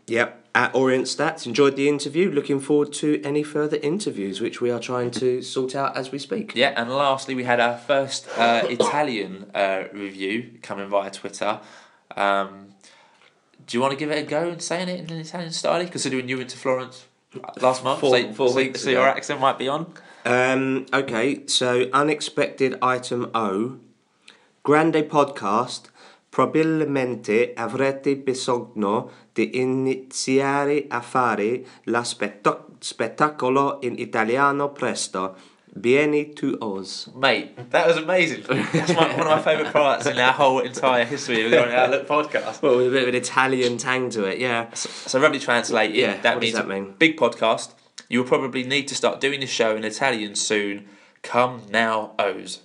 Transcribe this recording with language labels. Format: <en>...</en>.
<en>Yep. At Orient Stats, enjoyed the interview, looking forward to any further interviews, which we are trying to sort out as we speak. Yeah. And lastly, we had our first Italian review coming via Twitter. Do you want to give it a go and saying it in an Italian style, considering you went to Florence last month, four weeks, so your accent might be on. Okay, so</en> <it>unexpected item O, grande podcast, probabilmente avrete bisogno di iniziare a fare la spettacolo in italiano presto. Bieni tu os.</it> <en>Mate, that was amazing. That's one of my favourite parts in our whole entire history of the Orient Outlook podcast. Well, with a bit of an Italian tang to it, yeah. So roughly translated, yeah. What does that mean? Big podcast. You will probably need to start doing this show in Italian soon. Come now, O's.</en>